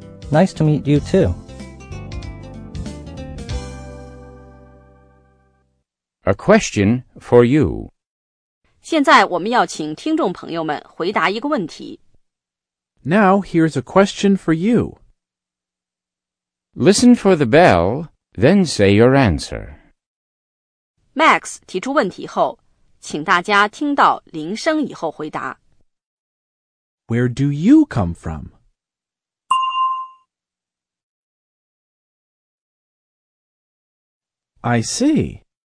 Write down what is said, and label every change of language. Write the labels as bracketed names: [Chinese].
[English] Nice to meet you too. A question for you. [Chinese] 现在我们要请听众朋友们回答一个问题。 [English] Now here's a question for you. Listen for the bell, then say your answer. [Chinese] Max 提出问题后，请大家听到铃声以后回答。 [English] Where do you come from? I see.